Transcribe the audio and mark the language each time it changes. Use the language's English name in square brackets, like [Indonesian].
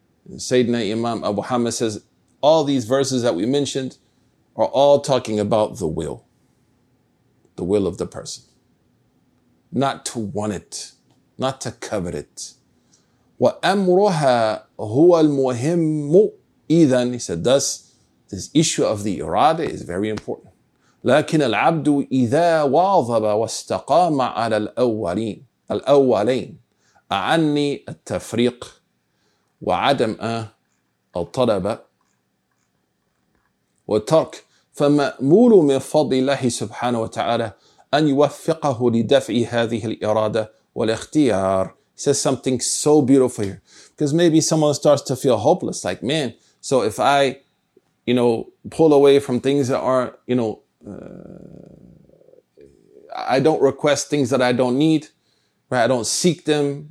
[English] Sayyidina Imam Abu Hamid says, all these verses that we mentioned are all talking about the will of the person. Not to want it, not to covet it. [Arabic] وَأَمْرُهَا هُوَ الْمُهِمُ إِذًا. [English] He said, thus, this issue of the irada is very important. [Arabic] لكن العبد إذا واظب واستقام على الأولين أعني التفريق وعدم الطلب والترك فمأمول من فضل الله سبحانه وتعالى أن يوفقه لدفع هذه الإرادة والاختيار. [English] He says something so beautiful here, because maybe someone starts to feel hopeless, like, man, so if I, you know, pull away from things that are, you know, I don't request things that I don't need, right? I don't seek them.